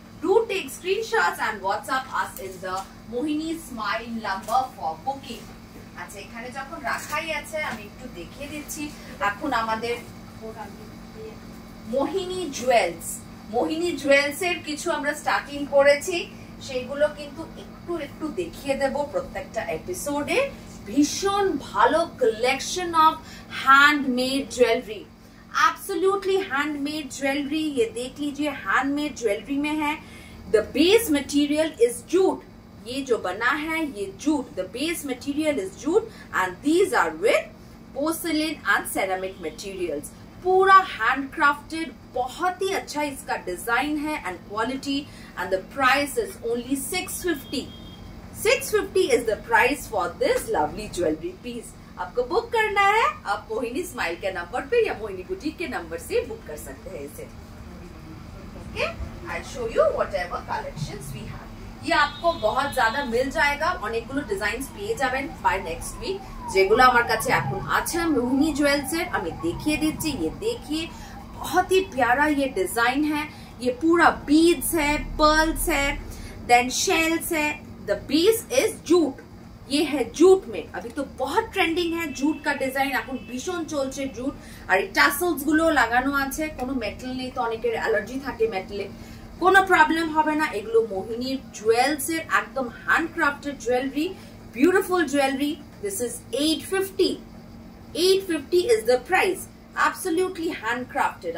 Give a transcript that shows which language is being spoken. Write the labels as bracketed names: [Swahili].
[English] Do take screenshots and WhatsApp us in the Mohini Smile number for booking. [Bangla] আচ্ছা, এখানে যখন রাখাই আছে আমি একটু দেখিয়ে দিচ্ছি। এখন আমাদের মোহিনী জুয়েলস, মোহিনী জুয়েলস এর কিছু আমরা স্টার্টিং করেছি, সেগুলো কিন্তু একটু একটু দেখিয়ে দেব প্রত্যেকটা এপিসোডে। ভীষণ ভালো [English] Collection of handmade jewellery, absolutely handmade jewellery. [Hindi] ইয়ে দেখ লিজিয়ে, [English] handmade jewellery [Hindi] মে হ্যায় [English] The base material is jute. [Hindi] ये जो बना है ये jute, [English] The base material is jute, and these are with porcelain and ceramic materials. [Hindi] पूरा हैंडक्राफ्टेड, बहुत ही अच्छा इसका डिजाइन है [English] And quality, and the price is only 650. 650 is the price for this lovely jewellery piece. [Hindi] आपको book करना है, आप Mohini smile के नंबर पे या मोहिनी बुटीक के नंबर से बुक कर सकते हैं इसे। [English] Okay, I show you whatever collections we have. [Hindi] ये आपको बहुत ज्यादा मिल जाएगा, [Bangla] অনেকগুলো ডিজাইনস পেয়ে যাবেন [English] By next week. [Bangla] যেগুলো আমার কাছে এখন আছে মোহিনী জুয়েলস এর আমি দেখিয়ে দিচ্ছি। [Hindi] ये देखिए बहुत ही प्यारा ये डिजाइन है, ये पूरा बीड्स है, पर्ल्स है, देन शेल्स है। [English] the base is jute, [Hindi] ये है जूट में, अभी तो बहुत ट्रेंडिंग है जूट का डिजाइन, [Bangla] এখন ভীষণ চলছে জুট। আর টাসেলস গুলো লাগানো আছে, কোনো মেটাল নেই তো অনেকের অ্যালার্জি থাকে মেটালে, কোনো প্রবলেম হবে না। এগুলো মোহিনী জুয়েলস এর একদম handcrafted jewellery, [English] Beautiful jewellery. This is 850 is the price, absolutely handcrafted.